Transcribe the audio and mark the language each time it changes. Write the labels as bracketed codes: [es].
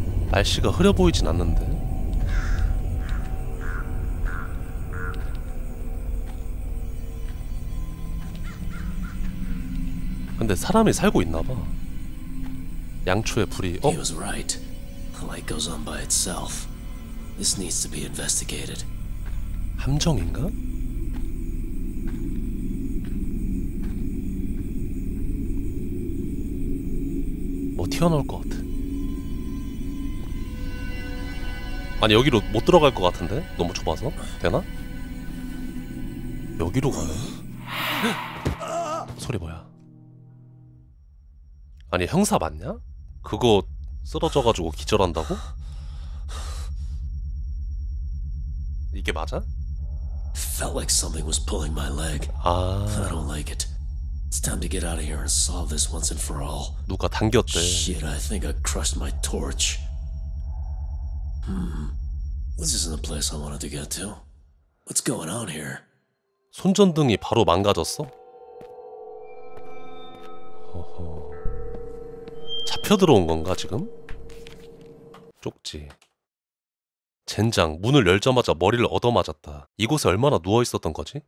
[ko] 날씨가 흐려 보이진 않는데. 근데 사람이 살고 있나 봐. 양초의 불이 [en] He was right. The light goes on by itself. This needs to be investigated. [ko] 함정인가? 뭐 튀어나올 것 같아. 아니 여기로 못 들어갈 것 같은데? 너무 좁아서? 되나? 여기로 가네? 소리 뭐야? 아니 형사 맞냐? 그거 쓰러져가지고 기절한다고? 이게 맞아? [en] Felt like something was pulling my leg. I don't like it. It's time to get out of here and solve this once and for all. [ko] 누가 당겼대? [en] Shit, I think I crushed my torch. This isn't the place I wanted to get to. What's going on here? [ko] 손전등이 바로 망가졌어? 허허. 잡혀 들어온 건가 지금? 쪽지. 젠장, 문을 열자마자 머리를 얻어맞았다. 이곳에 얼마나 누워있었던 거지?